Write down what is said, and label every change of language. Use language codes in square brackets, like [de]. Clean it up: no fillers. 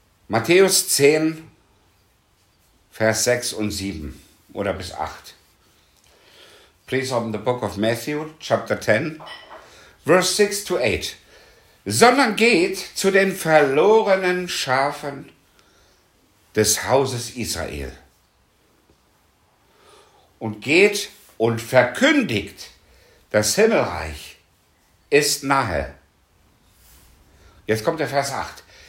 [de] Matthäus 10, Vers 6 und 7 oder bis 8. [en] Please open the book of Matthew, chapter 10, verse 6 to 8. [de] Sondern geht zu den verlorenen Schafen des Hauses Israel und geht und verkündigt, das Himmelreich ist nahe. Jetzt kommt der Vers 8.